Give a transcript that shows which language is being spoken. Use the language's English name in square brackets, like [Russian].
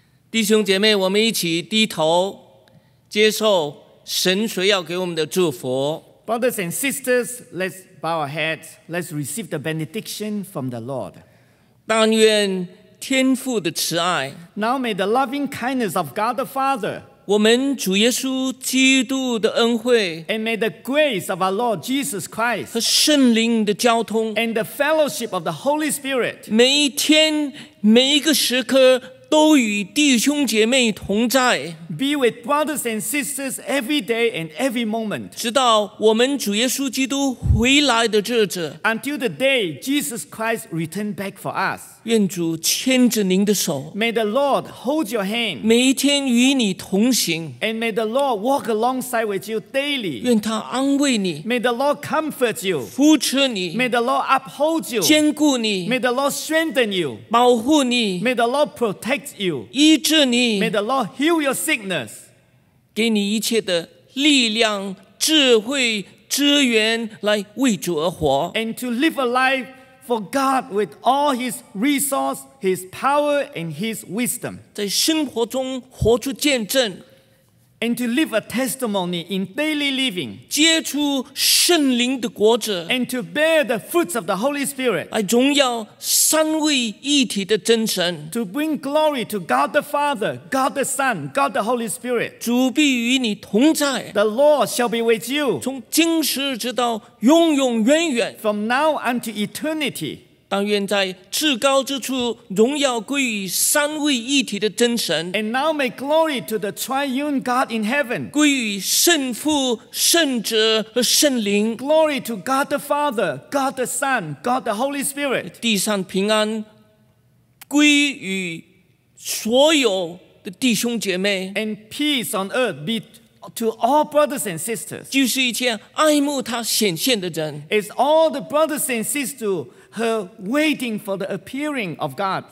[Chinese] 弟兄姐妹，我们一起低头接受神所要给我们的祝福。 [English] Brothers and sisters, let's bow our heads. Let's receive the benediction from the Lord. [Chinese] 但愿天父的慈爱， [English] Now may the loving kindness of God the Father, [Chinese] 我们主耶稣基督的恩惠， [English] And may the grace of our Lord Jesus Christ, [Chinese] 和圣灵的交通， [English] And the fellowship of the Holy Spirit, [Chinese] 每一天每一个时刻都与弟兄姐妹同在， [English] Be with brothers and sisters every day and every moment, [Chinese] 直到我们主耶稣基督回来的日子， [English] Until the day Jesus Christ returns back for us, [Chinese] 愿主牵着您的手， [English] May the Lord hold your hand, [Chinese] 每一天与你同行， [English] And may the Lord walk alongside with you daily, [Chinese] 愿他安慰你， [English] May the Lord comfort you, [Chinese] 扶持你， [English] May the Lord uphold you, [Chinese] 坚固你， [English] May the Lord strengthen you, [Chinese] 保护你， [English] May the Lord protect you, [Chinese] 医治你， [English] May the Lord heal your sickness, [Chinese] 给你一切的力量、智慧、资源来为主而活， [English] And to live a life for God with all His resource, His power, and His wisdom, [Chinese] 在生活中活出见证， [English] And to live a testimony in daily living, [Chinese] 结出圣灵的果子， [English] And to bear the fruits of the Holy Spirit, [Chinese] 来荣耀三位一体的真神， [English] To bring glory to God the Father, God the Son, God the Holy Spirit, [Chinese] 主必与你同在， [English] The Lord shall be with you, [Chinese] 从今时直到永永远远， [English] From now unto eternity, [Chinese] 但愿在至高之处荣耀归于三位一体的真神， [English] And now may glory to the triune God in heaven, [Chinese] 归于圣父、圣子和圣灵， [English] Glory to God the Father, God the Son, God the Holy Spirit, [Chinese] 地上平安归于所有的弟兄姐妹， [English] And peace on earth be to all brothers and sisters, [Chinese] 就是一切爱慕他显现的人， [English] It's all the brothers and sisters Her waiting for the appearing of God.